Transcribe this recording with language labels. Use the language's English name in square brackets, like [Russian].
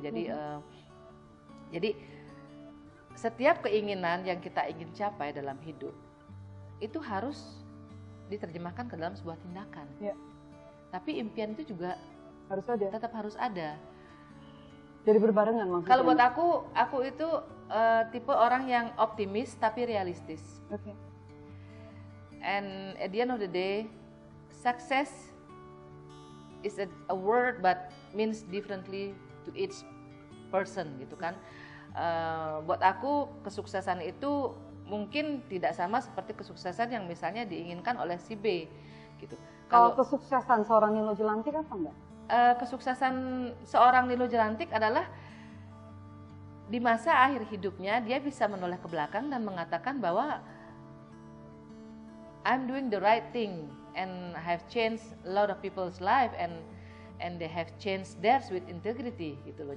[Indonesian] Jadi jadi setiap keinginan yang kita ingin capai dalam hidup itu harus diterjemahkan ke dalam sebuah tindakan. Tapi impian itu juga harus ada. Tetap harus ada. Jadi berbarengan maksudnya. Kalau buat aku itu tipe orang yang optimis tapi realistis. [English] And at the end of the day, success is a word but means differently to each person [Indonesian] gitu kan. Buat aku kesuksesan itu mungkin tidak sama seperti kesuksesan yang misalnya diinginkan oleh si B gitu. Kalau kesuksesan seorang Nilu Jelantik apa enggak? Kesuksesan seorang Nilu Jelantik adalah di masa akhir hidupnya dia bisa menoleh ke belakang dan mengatakan bahwa [English] I'm doing the right thing and I have changed a lot of people's life and they have changed theirs with integrity [Indonesian] gitu loh.